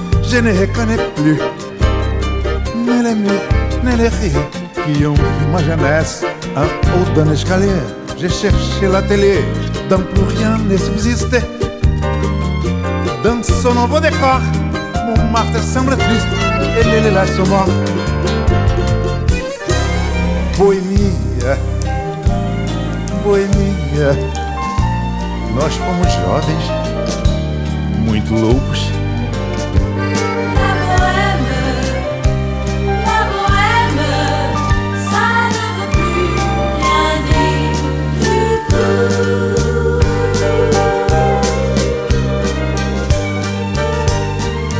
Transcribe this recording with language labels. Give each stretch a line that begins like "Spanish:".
French: Je ne reconnais plus ni les murs, ni les rires qui ont vu ma jeunesse. En haut d'un escalier, j'ai cherché l'atelier dont plus rien ne subsistait. Dans son nouveau décor, mon Montmartre semble triste. Et les lilas sont morts.
Portuguese: Bohémie, bohémie, nous fomos jovens, muito loucos.
French: La Bohème, la Bohème, ça ne veut plus rien dire du tout.